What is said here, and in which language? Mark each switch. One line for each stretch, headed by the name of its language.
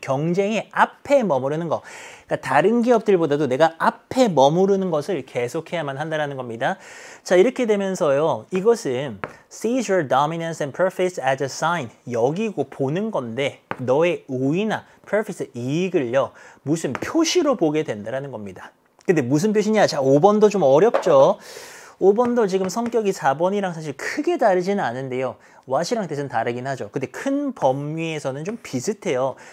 Korean: 경쟁의 앞에 머무르는 거. 그러니까 다른 기업들보다도 내가 앞에 머무르는 것을 계속해야만 한다라는 겁니다. 자, 이렇게 되면서요. 이것은
English: seize your dominance and profits as a sign.
Korean: 여기고 보는 건데 너의 우위나 profits 이익을요. 무슨 표시로 보게 된다라는 겁니다. 근데 무슨 표시냐? 자, 5번도 좀 어렵죠. 5번도 지금 성격이 4번이랑 사실 크게 다르지는 않은데요. what이랑 대신 다르긴 하죠. 근데 큰 범위에서는 좀 비슷해요.